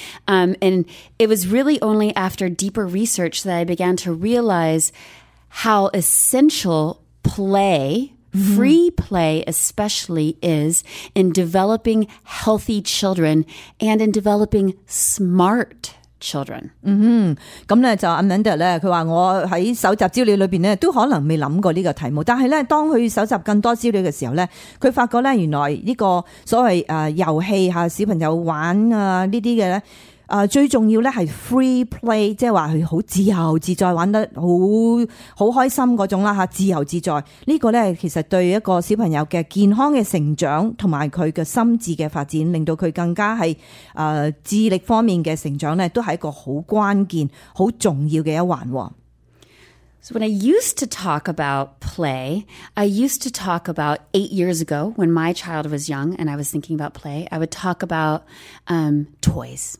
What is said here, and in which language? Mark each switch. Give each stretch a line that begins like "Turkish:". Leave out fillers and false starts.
English: And it was really only after deeper research that I began to realize how essential play, free play especially, is in developing healthy children and in developing smart children.
Cantonese: 嗯哼，咁咧就 Amanda 咧，佢话我喺搜集资料里边咧，都可能未谂过呢个题目。但系咧，当佢搜集更多资料嘅时候咧，佢发觉咧，原来呢个所谓游戏吓，小朋友玩呢啲嘅咧，最重要咧系 free play， 即系话佢好自由自在，玩得好开心嗰种啦吓，自由自在呢、這个咧，其实对一个小朋友嘅健康嘅成长同埋佢嘅心智嘅发展，令到佢更加系智力方面嘅成长咧，都系一个好关键、好重要嘅一环。
English: So when I used to talk about play, I used to talk about 8 years ago when my child was young and I was thinking about play, I would talk about toys.